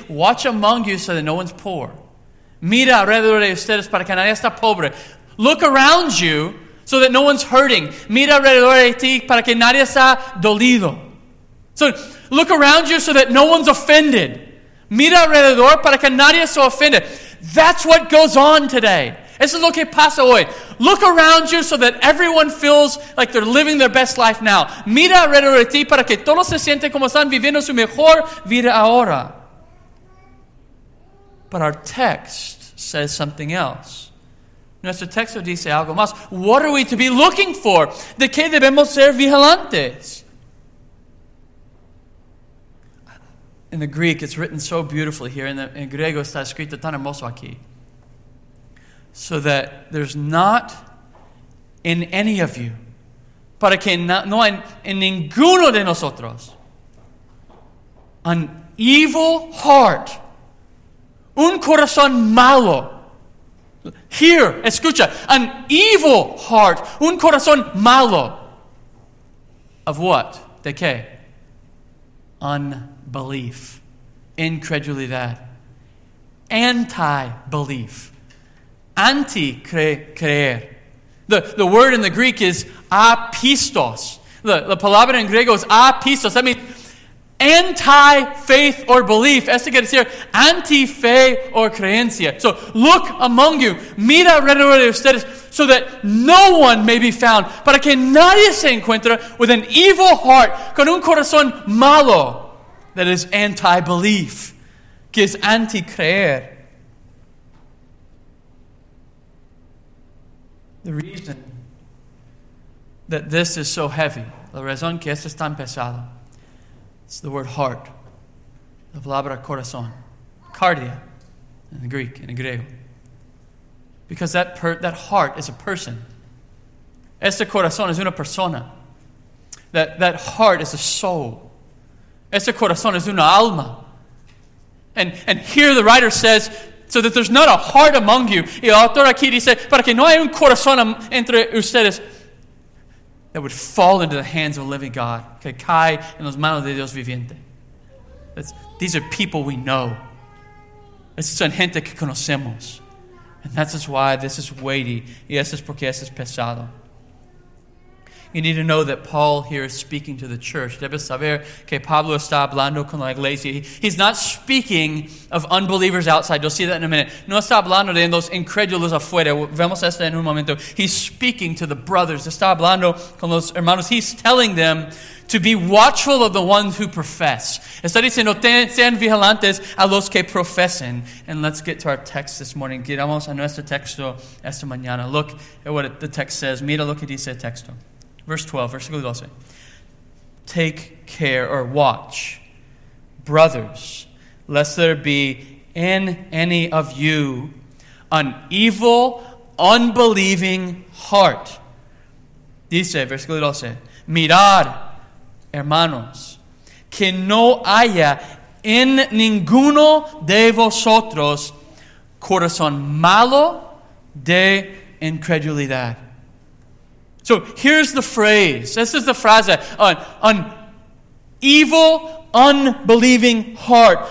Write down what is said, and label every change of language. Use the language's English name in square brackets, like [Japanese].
[English] Watch among you so that no one's poor. [Spanish] Mira alrededor de ustedes para que nadie está pobre. [English] Look around you so that no one's hurting. [Spanish] Mira alrededor de ti para que nadie está dolido. [English] So look around you so that no one's offended. [Spanish] Mira alrededor para que nadie esté [English] offended. That's what goes on today. [Spanish] Eso es lo que pasa hoy. [English] Look around you so that everyone feels like they're living their best life now. [Spanish] Mira alrededor de ti para que todos se sienten como están viviendo su mejor vida ahora. [English] But our text says something else. [Spanish] Nuestro texto dice algo más. [English] What are we to be looking for? [Spanish] ¿De qué debemos ser vigilantes? [English] In the Greek, it's written so beautifully here. [Spanish] En griego está escrito tan hermoso aquí. [English] So that there's not in any of you. [Spanish] Para que no hay en ninguno de nosotros. [English] An evil heart. [Spanish] Un corazón malo. [English] Here, [Spanish] escucha. [English] An evil heart. [Spanish] Un corazón malo. [English] Of what? [Spanish] De qué? [English] Unbelief. [Spanish] Incredulidad. [English] Anti-belief. [Spanish] Anti-creer. [English] The word in the Greek is apistos. [Spanish] The palabra en griego [English] is apistos. That means anti-faith or belief. [Spanish] Esto quiere decir anti-fe or creencia. [English] So look among you. [Spanish] Mira alrededor de ustedes [English] so that no one may be found. [Spanish] Para que nadie se encuentre [English] with an evil heart. [Spanish] Con un corazón malo. [English] That is anti-belief. [Spanish] Que es anti-creer. [English] The reason that this is so heavy, [Spanish] la razón que esto es tan pesado, [English] is the word heart, [Spanish] la palabra corazón, [English] cardia, in the Greek, in the griego. Because that heart is a person. [Spanish] Este corazón es una persona. [English] That heart is a soul. [Spanish] Este corazón es una alma. [English] And here the writer says, so that there's not a heart among you. [Spanish] Y el autor aquí dice, para que no haya un corazón entre ustedes [English] that would fall into the hands of a living God. [Spanish] Que cae en las manos de Dios viviente. [English] These are people we know. [Spanish] Es son gente que conocemos. [English] And that's just why this is weighty. [Spanish] Y eso es porque eso es pesado. [English] You need to know that Paul here is speaking to the church. [Spanish] Debes saber que Pablo está hablando con la iglesia. [English] He's not speaking of unbelievers outside. You'll see that in a minute. [Spanish] No está hablando de los incrédulos afuera. Vemos esto en un momento. [English] He's speaking to the brothers. [Spanish] Está hablando con los hermanos. [English] He's telling them to be watchful of the ones who profess. [Spanish] Está diciendo, sean vigilantes a los que profesen. [English] And let's get to our text this morning. [Spanish] Giramos a nuestro texto esta mañana. [English] Look at what the text says. [Spanish] Mira lo que dice el texto. [English] Verse 12, [Spanish] versículo 12. [English] Take care or watch, brothers, lest there be in any of you an evil, unbelieving heart [Spanish] Dice, versículo 12, mirad, hermanos, que no haya en ninguno de vosotros corazón malo de incredulidad. [English] So here's the phrase. This is the frase. An evil, unbelieving heart.